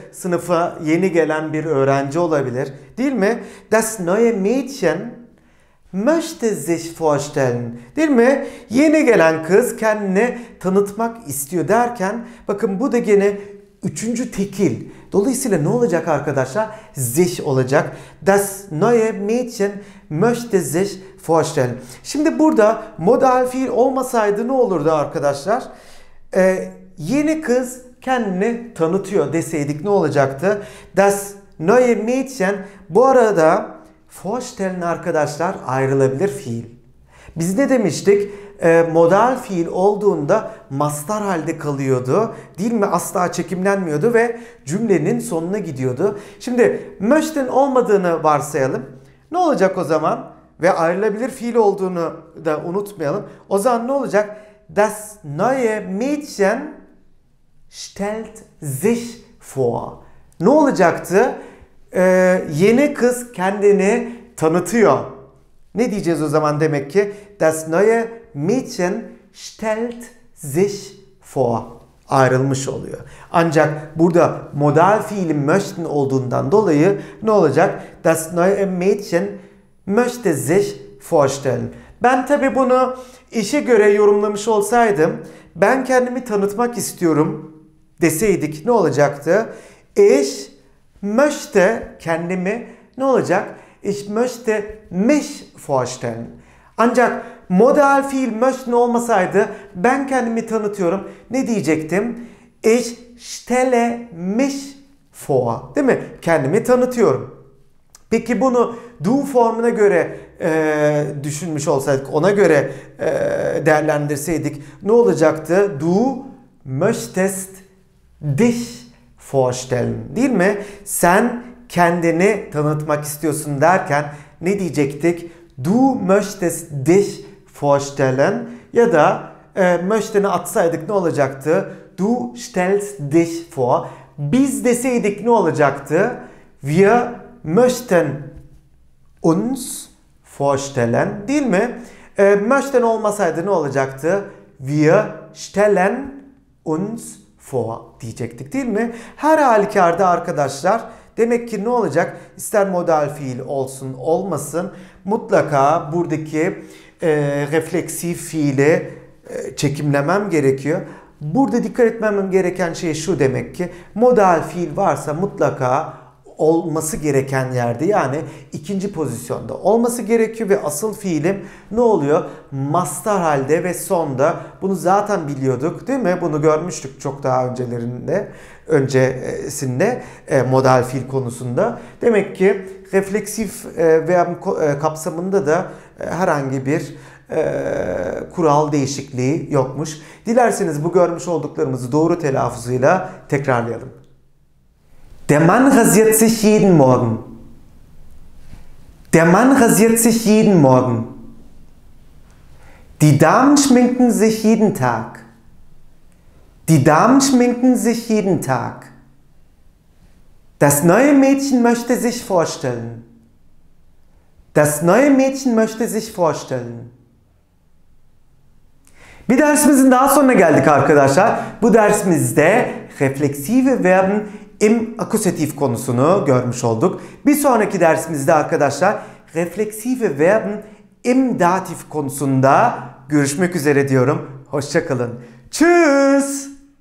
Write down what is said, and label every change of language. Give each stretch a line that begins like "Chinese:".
Turkish: Sınıfa yeni gelen bir öğrenci olabilir. Değil mi?
German: Das neue Mädchen möchte sich vorstellen.
Turkish: Değil mi? Yeni gelen kız kendini tanıtmak istiyor derken bakın bu da gene üçüncü tekil. Dolayısıyla ne olacak arkadaşlar? Sich olacak.
German: Das neue Mädchen möchte sich vorstellen.
Turkish: Şimdi burada modal fiil olmasaydı ne olurdu arkadaşlar? Yeni kız kendini tanıtıyor deseydik ne olacaktı?
German: Das neue Mädchen
Turkish: bu arada vorstellen arkadaşlar ayrılabilir fiil. Biz ne demiştik? Modal fiil olduğunda mastar halde kalıyordu. Değil mi? Asla çekimlenmiyordu ve cümlenin sonuna gidiyordu. Şimdi möchten olmadığını varsayalım. Ne olacak o zaman? Ve ayrılabilir fiil olduğunu da unutmayalım. O zaman ne olacak?
German: Das neue Mädchen stellt sich vor.
Turkish: Ne olacaktı? Yeni kız kendini tanıtıyor. Ne diyeceğiz o zaman demek ki?
German: Das neue Mädchen stellt sich vor.
Turkish: Ayrılmış oluyor. Ancak burada modal fiilin möchten olduğundan dolayı ne olacak?
German: Das neue Mädchen möchte sich vorstellen.
Turkish: Ben tabii bunu işe göre yorumlamış olsaydım, ben kendimi tanıtmak istiyorum deseydik ne olacaktı?
German: Ich möchte
Turkish: kendimi ne olacak?
German: Ich möchte mich vorstellen.
Turkish: Ancak modal fiil möchten olmasaydı ben kendimi tanıtıyorum ne diyecektim?
German: Ich stelle mich vor.
Turkish: Değil mi? Kendimi tanıtıyorum. Peki bunu du formuna göre düşünmüş olsaydık, ona göre değerlendirseydik ne olacaktı?
German: Du möchtest dich vorstellen.
Turkish: Değil mi? Sen kendini tanıtmak istiyorsun derken ne diyecektik?
German: Du möchtest dich vorstellen.
Turkish: Ya da möchten'i atsaydık ne olacaktı?
German: Du stellst dich vor.
Turkish: Biz deseydik ne olacaktı?
German: Wir möchten uns vorstellen.
Turkish: Değil mi? Möchten olmasaydı ne olacaktı?
German: Wir stellen uns vor
Turkish: diyecektik değil mi? Her halükarda arkadaşlar demek ki ne olacak? İster modal fiil olsun olmasın mutlaka buradaki refleksif fiili çekimlemem gerekiyor. Burada dikkat etmem gereken şey şu demek ki modal fiil varsa mutlaka olması gereken yerde, yani ikinci pozisyonda olması gerekiyor ve asıl fiilim ne oluyor? Mastar halde ve sonda. Bunu zaten biliyorduk değil mi? Bunu görmüştük çok daha öncesinde modal fiil konusunda. Demek ki refleksif verb kapsamında da herhangi bir kural değişikliği yokmuş. Dilerseniz bu görmüş olduklarımızı doğru telaffuzuyla tekrarlayalım.
German: Der Mann rasiert sich jeden Morgen. Der Mann rasiert sich jeden Morgen. Die Damen schminken sich jeden Tag. Die Damen schminken sich jeden Tag. Das neue Mädchen möchte sich vorstellen. Das neue Mädchen möchte sich vorstellen.
Turkish: Bir dersimizin daha sonuna geldik arkadaşlar. Bu dersimizde refleksive verben im akkusativ konusunu görmüş olduk. Bir sonraki dersimizde arkadaşlar refleksive verben im datif konusunda görüşmek üzere diyorum. Hoşça kalın. Tschüss.